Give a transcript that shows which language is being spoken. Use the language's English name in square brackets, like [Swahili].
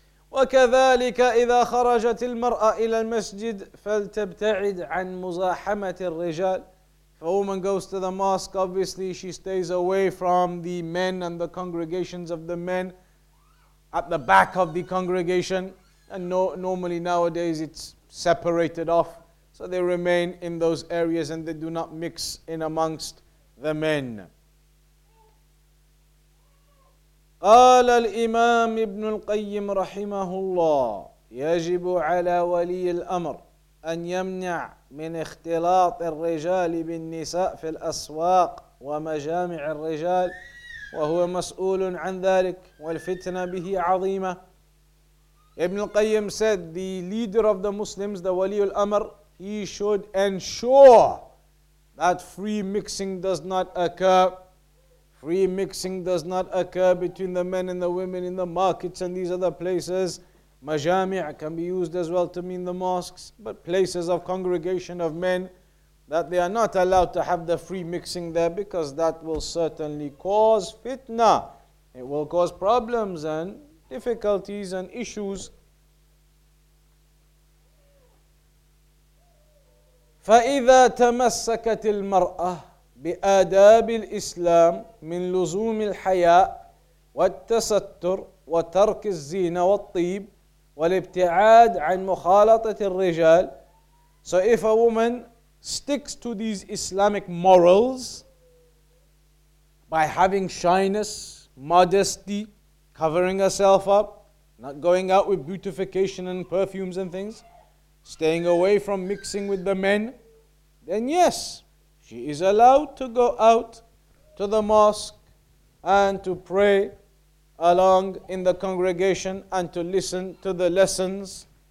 [Arabic] وكذلك إذا خرجت المرأة إلى المسجد فلتبتعد عن مزاحمة الرجال. [English] If a woman goes to the mosque, obviously she stays away from the men and the congregations of the men at the back of the congregation. And normally nowadays it's separated off, so they remain in those areas and they do not mix in amongst the men. [Arabic] قال الإمام ابن القيم رحمه الله يجب على ولي الأمر أن يمنع من اختلاط الرجال بالنساء في الأسواق ومجامع الرجال وهو مسؤول عن ذلك والفتنة به عظيمة. [English] Ibn al-Qayyim said the leader of the Muslims, the Wali al-Amr, he should ensure that free mixing does not occur. Free mixing does not occur between the men and the women in the markets and these other places. Majami' can be used as well to mean the mosques, but places of congregation of men, that they are not allowed to have the free mixing there, because that will certainly cause fitna. It will cause problems and difficulties and issues. [Arabic] فَإِذَا تَمَسَّكَتِ الْمَرْأَةِ بآداب الإسلام من لزوم الحياء والتستر وترك الزينة والطيب والابتعاد عن مخالطة الرجال. [English] So if a woman sticks to these Islamic morals by having shyness, modesty, covering herself up, not going out with beautification and perfumes and things, staying away from mixing with the men, then yes, she is allowed to go out to the mosque and to pray along in the congregation and to listen to the lessons.